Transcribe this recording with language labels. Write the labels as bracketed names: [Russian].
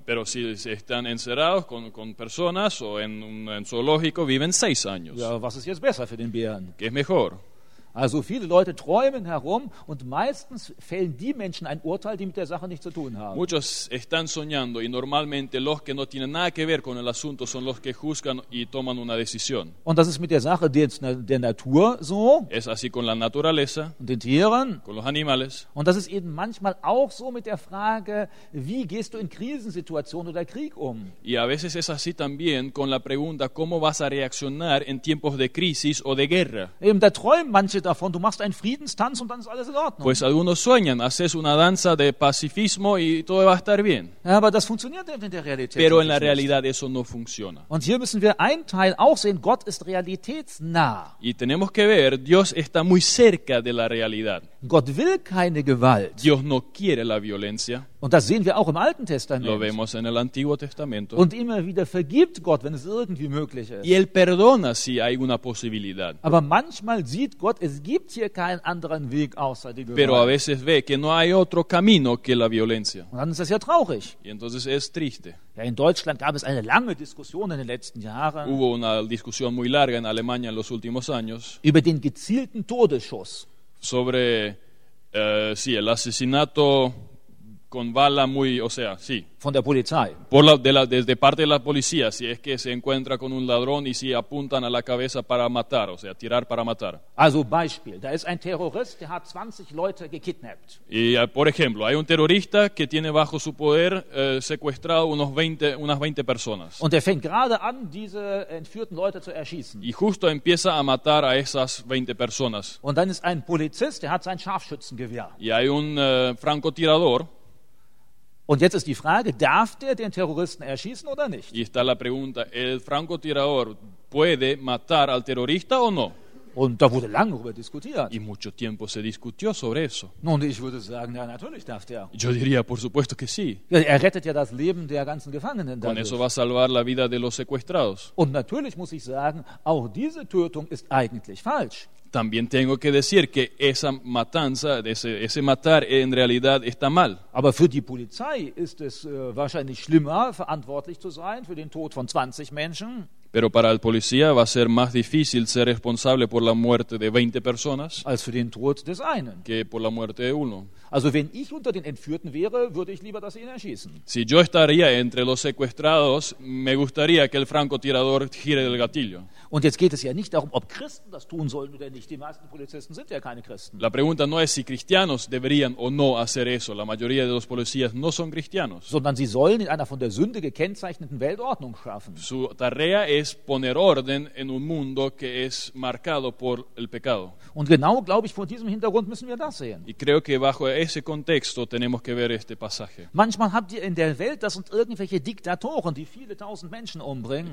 [Spanish] Pero si están encerrados con personas o en zoológico, viven 6 años. [German] Ja, was ist jetzt besser für den Bären? [Spanish] ¿Qué es mejor? [German] Also viele Leute träumen herum und meistens fällen die Menschen ein Urteil, die mit der Sache nichts zu tun haben. [Spanish] Muchos están soñando y normalmente los que no tienen nada que ver con el asunto son los que juzgan y toman una decisión. [German] Und das ist mit der Sache der Natur so. [Spanish] Es así con la naturaleza. [German] Und den Tieren. [Spanish] Con los animales. [German] Und das ist eben manchmal auch so mit der Frage, wie gehst du in Krisensituationen oder Krieg um? [Spanish] Y a veces es así también con la pregunta, ¿cómo vas a reaccionar en tiempos de crisis o de guerra? [German] Eben da träumen manche davon, du machst einen Friedenstanz und dann ist alles in Ordnung. [Spanish] Pues algunos sueñan, haces una danza de pacifismo y todo va a estar bien. [German] Ja, aber das funktioniert in der Realität. [Spanish] Pero en la realidad eso no funciona. [German] Und hier müssen wir einen Teil auch sehen, Gott ist realitätsnah. [Spanish] Y tenemos que ver, Dios está muy cerca de la realidad. [German] Gott will keine Gewalt. [Spanish] Dios no quiere la violencia. [German] Und das sehen wir auch im Alten Testament. [Spanish] Lo vemos en el Antiguo Testamento. [German] Und immer wieder vergibt Gott, wenn es irgendwie möglich ist. [Spanish] Y él perdona si hay una posibilidad. [German] Aber manchmal sieht Gott, es gibt hier keinen anderen Weg außer die Gewalt. [Spanish] Pero a veces ve que no hay otro camino que la violencia. [German] Und dann ist das ja traurig. [Spanish] Y entonces es triste. [German] Ja, in Deutschland gab es eine lange Diskussion in den letzten Jahren. [Spanish] Hubo una discusión muy larga en Alemania en los últimos años. [German] Über den gezielten Todesschuss. [Spanish] Sobre, sí, el asesinato con bala muy, o sea, sí. [German] Von der Polizei. [Spanish] Por la, de la, desde parte de la policía, si es que se encuentra con un ladrón y si apuntan a la cabeza para matar, o sea, tirar para matar. [German] Also Beispiel, da ist ein Terrorist, der hat 20 Leute gekidnappt. [Spanish] Y por ejemplo, hay un terrorista que tiene bajo su poder secuestrado unos 20 personas. [German] Und er fängt gerade an, diese entführten Leute zu erschießen. [Spanish] Y justo empieza a matar a esas 20 personas. [German] Und dann ist ein Polizist, der hat sein Scharfschützengewehr. [Spanish] Y hay un francotirador. [German] Und jetzt ist die Frage, darf der den Terroristen erschießen oder nicht? [Spanish] Y está la pregunta, ¿el francotirador puede matar al terrorista o no? [German] Und da wurde lange darüber diskutiert. [Spanish] Y mucho tiempo se discutió sobre eso. [German] Nun, ich würde sagen, ja, natürlich darf der. [Spanish] Yo diría, por supuesto que sí. [German] Er rettet ja das Leben der ganzen Gefangenen dadurch. [Spanish] Con eso va a salvar la vida de los secuestrados. [German] Und natürlich muss ich sagen, auch diese Tötung ist eigentlich falsch. [Spanish] También tengo que decir que esa matanza, ese matar en realidad está mal. [German] Aber für die Polizei ist es wahrscheinlich schlimmer, verantwortlich zu sein für den Tod von 20 Menschen. [Spanish] Pero para el policía va a ser más difícil ser responsable por la muerte de 20 personas [German] als für den Tod des einen. [Spanish] Que por la muerte de uno. [German] Also wenn ich unter den Entführten wäre, würde ich lieber, dass sie ihn erschießen. [Spanish] Si yo estaría entre los secuestrados, me gustaría que el francotirador gire el gatillo. [German] Und jetzt geht es ja nicht darum, ob Christen das tun sollen oder nicht. Die meisten Polizisten sind ja keine Christen. [Spanish] La pregunta no es si cristianos deberían o no hacer eso. La mayoría de los policías no son cristianos. [German] Sondern sie sollen in einer von der Sünde gekennzeichneten Weltordnung schaffen. [Spanish] Su tarea es poner orden en un mundo que es marcado por el pecado. [German] Und genau, glaube ich, vor diesem Hintergrund müssen wir das sehen. [Spanish] Y creo que bajo ese contexto tenemos que ver este pasaje. [German] Manchmal habt ihr in der Welt, das sind irgendwelche Diktatoren, die viele tausend Menschen umbringen.